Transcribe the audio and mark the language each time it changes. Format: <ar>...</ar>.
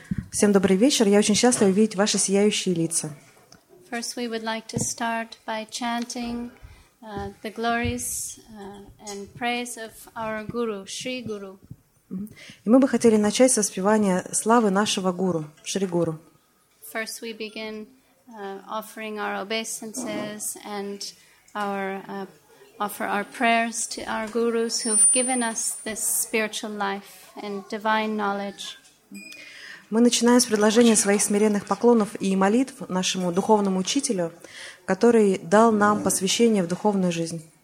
<ru>Всем добрый вечер. Я очень счастлива видеть ваши сияющие лица.</ru> <en>First, we would like to start by chanting the glories and praise of our guru, Shri Guru.</en> <ru>И мы бы хотели начать со спевания славы нашего гуру, Шри Гуру.</ru> <en>First, we begin offering our obeisances and our offer our prayers to our gurus who've given us this spiritual life and divine knowledge.</en> <ru>Мы начинаем с предложения своих смиренных поклонов и молитв нашему духовному учителю, который дал нам посвящение в духовную жизнь.</ru>